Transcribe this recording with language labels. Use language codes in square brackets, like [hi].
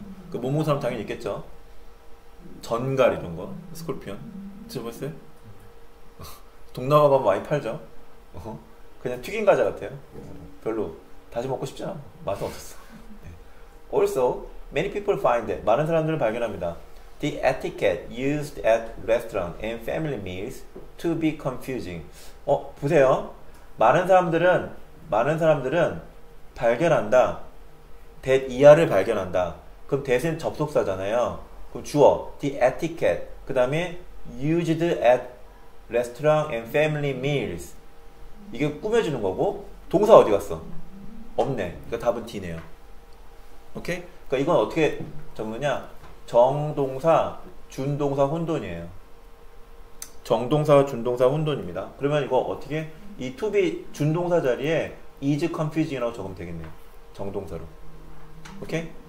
[ko] 그 못 먹는 사람 당연히 있겠죠. 전갈 이런 거, 스콜피언 드셔보셨어요? 동남아 가면 많이 팔죠. 그냥 튀긴 과자 같아요. 별로 다시 먹고 싶지 않아. 맛은 없었어. 네. [en] Also, many people find that [ko] 많은 사람들은 발견합니다. [en] The etiquette used at restaurant and family meals to be confusing. [ko] 어, 보세요. 많은 사람들은 발견한다. that 이하를 발견한다. 그럼 that은 접속사잖아요. 그럼 주어, the etiquette. 그 다음에 [en] used at restaurant and family meals. [ko] 이게 꾸며주는 거고, 동사 어디 갔어? 없네. 그러니까 답은 D네요. 오케이? 그러니까 이건 어떻게 적느냐? 정동사, 준동사, 혼돈이에요. 정동사, 준동사, 혼돈입니다. 그러면 이거 어떻게? 이 to be 준동사 자리에 [en] is confusing [ko] 이라고 적으면 되겠네요. 정동사로. 오케이?